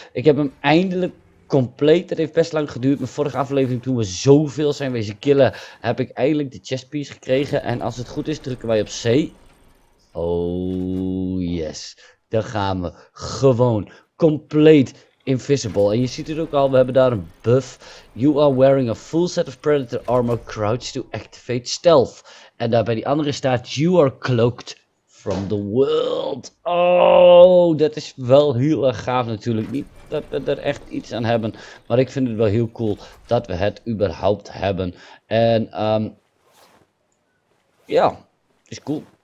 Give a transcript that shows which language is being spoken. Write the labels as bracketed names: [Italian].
[Dutch] Ik heb hem eindelijk compleet. Het heeft best lang geduurd. Mijn vorige aflevering, toen we zoveel zijn wezen killen, heb ik eindelijk de chest piece gekregen. En als het goed is, drukken wij op C. Oh yes. Dan gaan we gewoon compleet invisible. En je ziet het ook al, we hebben daar een buff. [English] You are wearing a full set of predator armor. Crouch to activate stealth. [Dutch] En daar bij die andere staat, [English] you are cloaked from the world. [Dutch] Oh, dat is wel heel erg gaaf natuurlijk. Niet dat we er echt iets aan hebben. Maar ik vind het wel heel cool dat we het überhaupt hebben. En ja, is cool.